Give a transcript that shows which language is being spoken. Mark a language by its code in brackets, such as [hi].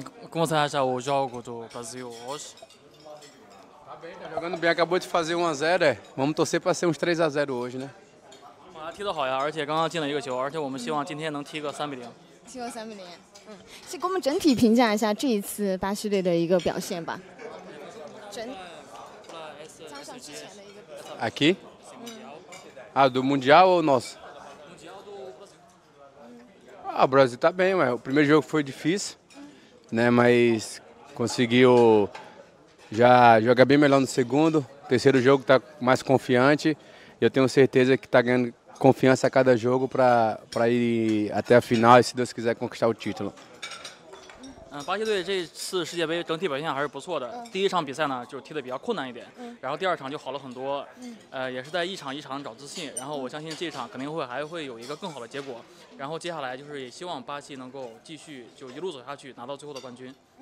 [pt] como você acha o jogo do Brasil hoje? Tá jogando bem, acabou de fazer 1-0, vamos torcer para ser uns 3-0 hoje, né? [zh] Ah, 踢得好呀，而且刚刚进了一个球，而且我们希望今天能踢个3-0。踢个3-0，先给我们整体评价一下这一次巴西队的一个表现吧。整，加上之前的一个。 [pt] Aqui? Ah, do Mundial ou nosso? Mundial do Brasil. Ah, o Brasil tá bem, ué. O primeiro jogo foi difícil, né? Mas conseguiu... Já joga bem melhor no segundo, terceiro jogo está mais confiante. Eu tenho certeza que está ganhando confiança a cada jogo para ir até a final e, se Deus quiser, conquistar o título. [zh] 巴西队这次世界杯整体表现还是不错的。第一场比赛呢，就踢得比较困难一点，然后第二场就好了很多。也是在一场一场找自信，然后我相信这场肯定会还会有一个更好的结果。然后接下来就是也希望巴西能够继续就一路走下去，拿到最后的冠军。